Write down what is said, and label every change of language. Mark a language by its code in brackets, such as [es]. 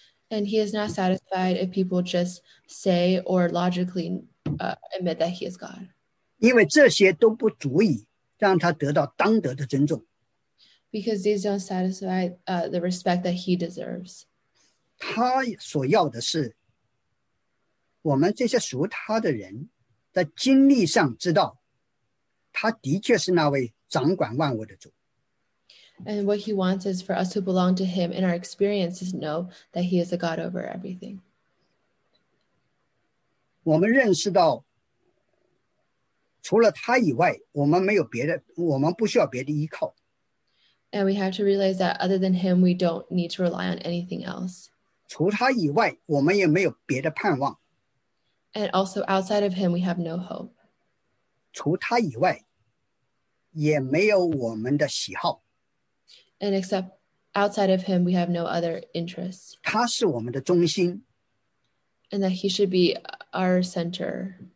[en] And he is not satisfied if people just say or logically admit that he is God. [zh] 因为这些都不足以让他得到当得的尊重。 [en] Because these don't satisfy the respect that he deserves. [zh] 他所要的是我们这些属他的人在经历上知道他的确是那位掌管万物的主。 [en] And what he wants is for us who belong to him in our experiences know that he is a God over everything. [zh] 我们认识到除了他以外我们没有别的我们不需要别的依靠。 [en] And we have to realize that other than him we don't need to rely on anything else. [zh] 除他以外我们也没有别的盼望。 [en] And also outside of him we have no hope. [zh] 除他以外也没有我们的喜好。 [en] And except outside of him, we have no other interests. [zh] 他是我们的中心。 [en] And that he should be our center.